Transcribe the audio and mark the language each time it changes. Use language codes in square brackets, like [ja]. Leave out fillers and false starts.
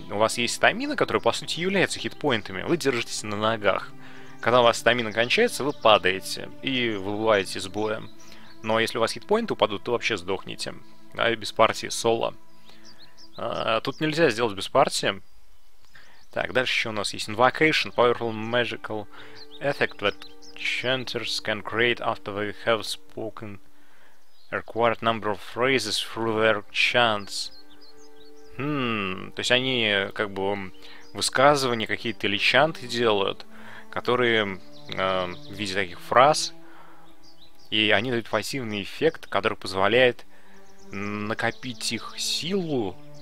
[ru] У вас есть стамина, которая, по сути, является хитпоинтами. Вы держитесь на ногах. Когда у вас стамина кончается, вы падаете и выбываете с боя. Но если у вас хитпоинты упадут, то вообще сдохнете. Да, и без партии, соло. Тут нельзя сделать без партии. Так, дальше еще у нас есть Invocation. [en] Powerful magical effect that chanters can create after they have spoken a required number of phrases through their chants. [ru] То есть они как бы высказывания какие-то или чанты делают, которые в виде таких фраз, и они дают пассивный эффект, который позволяет накопить их силу.